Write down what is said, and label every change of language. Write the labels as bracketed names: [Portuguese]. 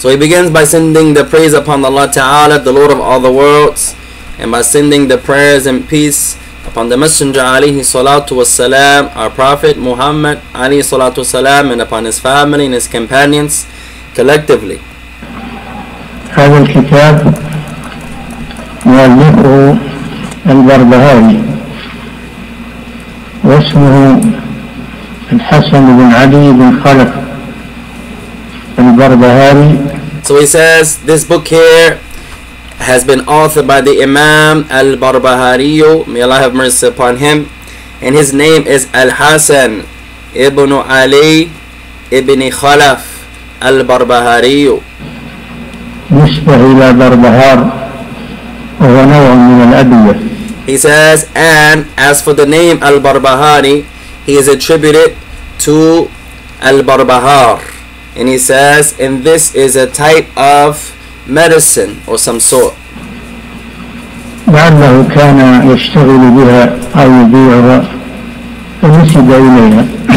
[English] So he begins by sending the praise upon Allah Ta'ala, the Lord of all the worlds, and by sending the prayers and peace upon the Messenger alayhi salatu wa salam, our Prophet Muhammad alayhi salatu wa salam, and upon his family and his companions collectively. [Arabic] هذا الكتاب مؤلفه البربهاري واسمه الحسن بن علي بن خلف البربهاري. [English] So he says this book here has been authored by the Imam al-Barbahari, may Allah have mercy upon him, and his name is al-Hasan ibn Ali ibn Khalaf al-Barbahari. [Arabic] يشبه إلى بربهار وهو نوع من الأدوية. [English] He says, and as for the name al-Barbahari, he is attributed to al-Barbahar, and he says, and this is a type of medicine or some sort. [Arabic] لعله كان يشتغل بها أو يبيعها فنسب إليها.